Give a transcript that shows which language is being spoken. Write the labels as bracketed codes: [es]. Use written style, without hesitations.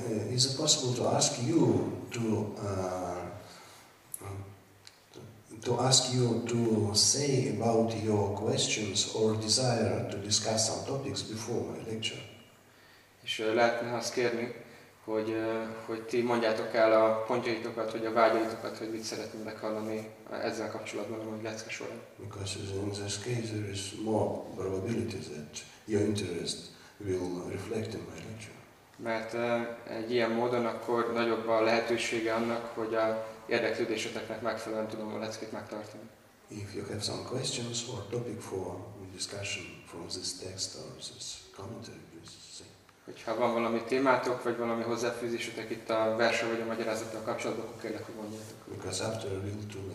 [en] is it possible to ask you to say about your questions or desire to discuss some topics before my lecture? [hu] És lehetne azt kérni, hogy hogy ti mondjátok el a pontjaitokat, hogy a vágyaitokat, hogy mit szeretném meghallani ezzel kapcsolatban, hogy lecke során. [en] Because in this case there is more probability that your interest will reflect in my lecture. [hu] Mert egy ilyen módon akkor nagyobb a lehetősége annak, hogy a érdeklődéseteknek megfelelően tudom a leckét megtartani. [en] If you have some questions or topic for discussion from this text or this commentary, please say. [hu] Hogyha van valami témátok, vagy valami hozzáfűzésetek itt a verse vagy a magyarázattal kapcsolatban, akkor kérlek, hogy mondjátok.